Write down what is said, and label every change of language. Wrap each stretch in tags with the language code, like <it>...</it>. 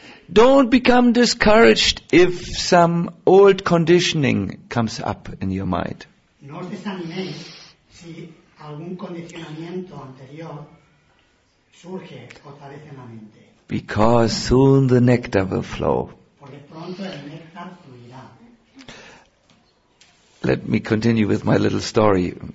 <en>Don't become discouraged if some old conditioning comes up in your mind.</en> <es>No os desaniméis si algún condicionamiento anterior surge otra vez en la mente.</es> <en>Because soon the nectar will flow.</en> <es>Porque pronto el néctar fluirá.</es> <en>Let me continue with my little story.</en>